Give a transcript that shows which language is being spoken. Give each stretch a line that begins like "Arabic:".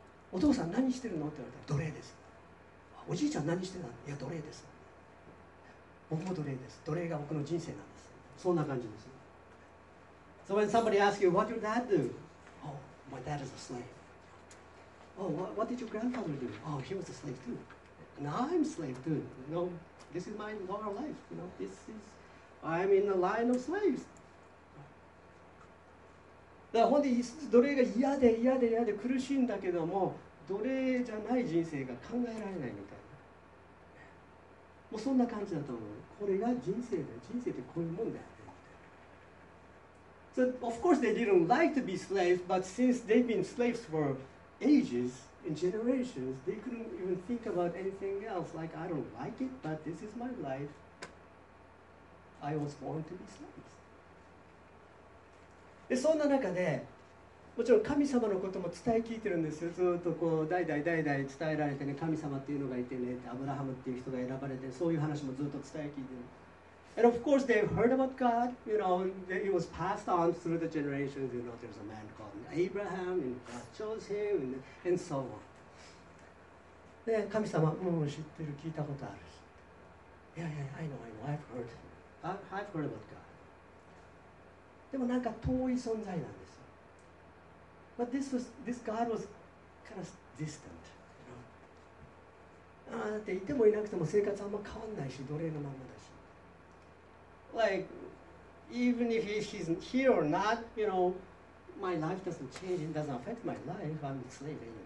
Japanese: お父さん何してるのって言われたら奴隷です。おじいちゃん何してたの、いや奴隷です、僕も奴隷です、奴隷が僕の人生なんです、そんな感じです。
English: So when somebody asks you what your dad do, oh my dad is a slave. Oh what did your grandfather do? Oh he was a slave too. And I'm slave too. You know, this is my normal life. You know, this is I'm in the line of slaves
Japanese: だから本当に奴隷が嫌で嫌で嫌で苦しいんだけども、奴隷じゃない人生が考えられないみたいな、もうそんな感じだと思う。これが人生だよ、人生ってこういうもんだよ。
English: So of course they didn't like to be slaves, but since they've been slaves for ages and generations, they couldn't even think about anything else. Like I don't like it, but this is my life. I was born to be slaves.
Japanese: でそんな中で、もちろん神様のことも伝え聞いてるんですよ。ずっとこう代々代々伝えられてね、神様っていうのがいてね、アブラハムっていう人が選ばれて、そういう話もずっと伝え聞いてる。
English: And of course they heard about God, you know, it was passed on through the generations, you know, there's a man called Abraham, and God chose him, and so on.
Japanese: で、神様、もう知ってる、聞いたことあるし。
English: Yeah, I know, I've heard about God.
Japanese: でもなんか遠い存在なんですよ。
English: But this God was kind of distant. You know?
Japanese: ああ、だっていてもいなくても生活あんま変わんないし、奴隷のままだし。
English: Like, even if he's here or not, you know, my life doesn't change, it doesn't affect my life, I'm a slave anyway.